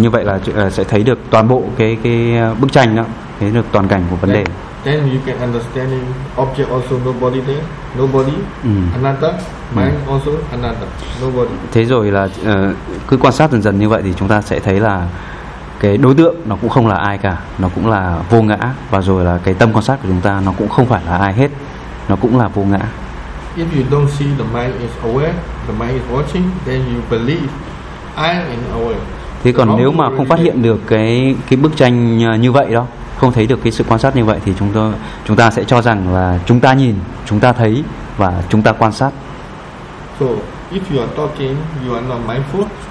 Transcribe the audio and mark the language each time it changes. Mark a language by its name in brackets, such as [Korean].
[Vietnamese] Như vậy là sẽ thấy được toàn bộ cái bức tranh đó, thấy được toàn cảnh của vấn đề. [English] Then you can understand object also nobody there, nobody, another, mind also another, nobody. [Vietnamese] Thế rồi là cứ quan sát dần dần như vậy thì chúng ta sẽ thấy là cái đối tượng nó cũng không là ai cả, nó cũng là vô ngã, và rồi là cái tâm quan sát của chúng ta nó cũng không phải là ai hết, nó cũng là vô ngã. [English] If you don't see the mind is aware, the mind is watching, then you believe I am aware. [Vietnamese] Thế còn nếu mà không phát hiện được cái bức tranh như vậy đó, không thấy được cái sự quan sát như vậy, thì chúng ta sẽ cho rằng là chúng ta nhìn, chúng ta thấy và chúng ta quan sát. [English] So if you are talking, you are not mindful.